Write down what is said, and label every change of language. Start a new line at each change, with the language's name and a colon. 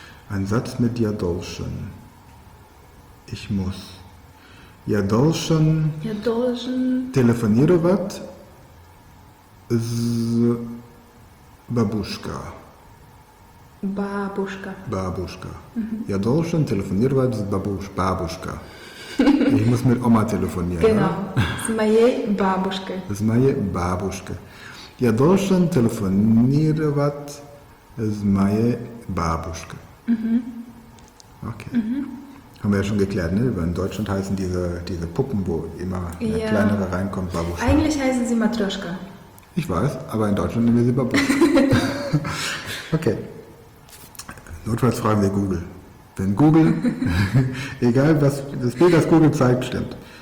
German: Ein Satz mit
Russian: я должен.
German: Ich muss.
Russian: Я должен. Я должен. Телефонировать с бабушка. Бабушка. Бабушка. Я должен телефонировать с бабушка.
German: Ich muss mit Oma telefonieren.
Russian: Genau. С моей бабушкой. С моей бабушкой. Я должен телефонировать с моей бабушкой. Mhm. Okay. Mhm.
German: Haben wir ja schon geklärt, ne? In Deutschland heißen diese Puppen, wo immer eine ja. kleinere reinkommt, Babuschka. Eigentlich heißen sie Matroschka. Ich weiß, aber in Deutschland nennen wir sie Babuschka. Okay. Notfalls fragen wir Google. Wenn Google, egal was das Bild, das Google zeigt, stimmt.